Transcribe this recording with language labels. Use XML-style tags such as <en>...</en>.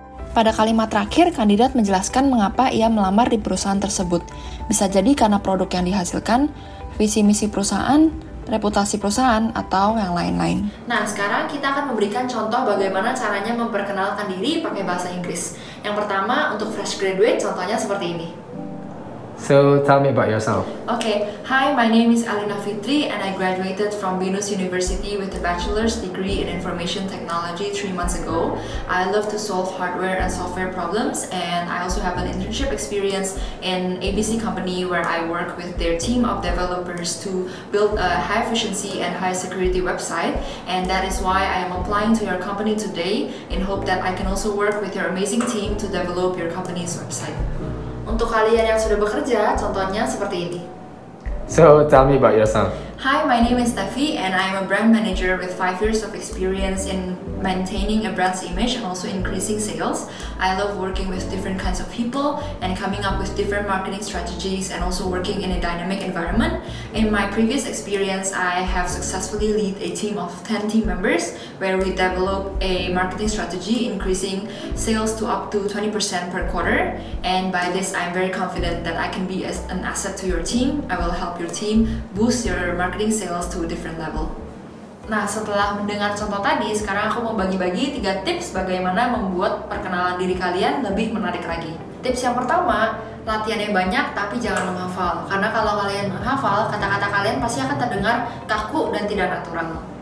<id>Pada kalimat terakhir, kandidat menjelaskan mengapa ia melamar di perusahaan tersebut. Bisa jadi karena produk yang dihasilkan, visi-misi perusahaan, reputasi perusahaan, atau yang lain-lain. Nah, sekarang kita akan memberikan contoh bagaimana caranya memperkenalkan diri pakai bahasa Inggris. Yang pertama, untuk fresh graduate, contohnya seperti ini.</id> <en>So, tell me about yourself. Okay, hi, my name is Alina Fitri and I graduated from Binus University with a bachelor's degree in information technology 3 months ago. I love to solve hardware and software problems and I also have an internship experience in ABC company where I work with their team of developers to build a high efficiency and high security website, and that is why I am applying to your company today in hope that I can also work with your amazing team to develop your company's website.</en> <id>Untuk kalian yang sudah bekerja, contohnya seperti ini.</id> <en>So, tell me about yourself. Hi, my name is Steffi and I am a brand manager with 5 years of experience in maintaining a brand's image and also increasing sales. I love working with different kinds of people and coming up with different marketing strategies and also working in a dynamic environment. In my previous experience, I have successfully led a team of 10 team members where we develop a marketing strategy increasing sales to up to 20% per quarter. And by this, I'm very confident that I can be an asset to your team. I will help your team boost your marketing sales to a different level.</en> <id>Nah, setelah mendengar contoh tadi, sekarang aku mau bagi-bagi 3 tips bagaimana membuat perkenalan diri kalian lebih menarik lagi. Tips yang pertama, latihan yang banyak tapi jangan menghafal. Karena kalau kalian menghafal, kata-kata kalian pasti akan terdengar kaku dan tidak natural.</id>